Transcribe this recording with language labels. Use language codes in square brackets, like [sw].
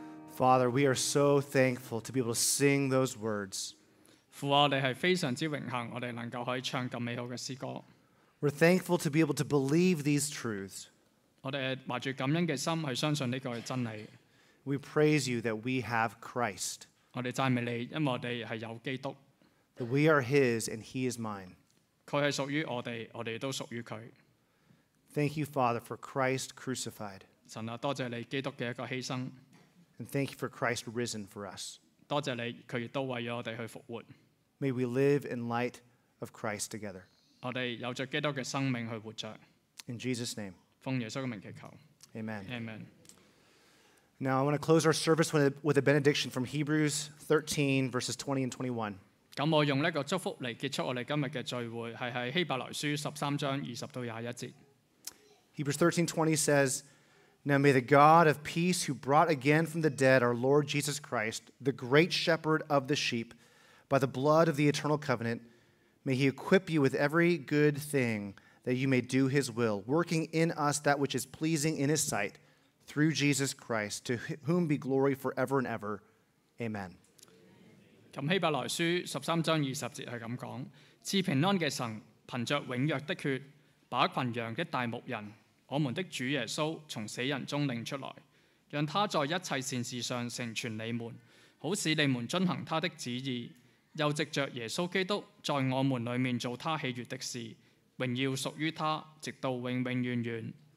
[en] Father, we are so thankful to be able to sing those words. [zh] 父, 我们是非常之荣幸，我们能够可以唱这么美好的诗歌。 [en] We're thankful to be able to believe these truths. [zh] 我们怀着感恩的心去相信这个真理。 [en] We praise you that we have Christ. [zh] 我们赞美你，因为我们是有基督。 [en] That we are his and he is mine. [zh] 他是属于我们，我们都属于他。 [en] Thank you, Father, for Christ crucified. [zh] 神啊，多谢你基督的一个牺牲。 [en] And thank you for Christ risen for us. [zh] 多谢你，祂亦都为了我们去复活。 [en] May we live in light of Christ together. [zh] 我们有着基督的生命去活着。 [en] In Jesus' name. [zh] 奉耶稣的名祈求。 [en] Amen. Amen. Now I want to close our service with a benediction from Hebrews 13, verses 20 and 21. [zh] 我用这个祝福来结束我们今天的聚会，是在希伯来书13章20到21节。 [en] Hebrews 13:20 says, Now may the God of peace, who brought again from the dead our Lord Jesus Christ, the great shepherd of the sheep, by the blood of the eternal covenant, may he equip you with every good thing that you may do his will, working in us that which is pleasing in his sight, through Jesus Christ, to whom be glory forever and ever. Amen. [zh] 希伯来书13章20节是这么说，赐平安的神，凭着永约的血，把群羊的大牧人我们的主耶稣从死人中领出来，让他在一切善事上成全你们，好使你们遵行他的旨意，又藉着耶稣基督在我们里面做他喜悦的事，荣耀属于他，直到永永远远。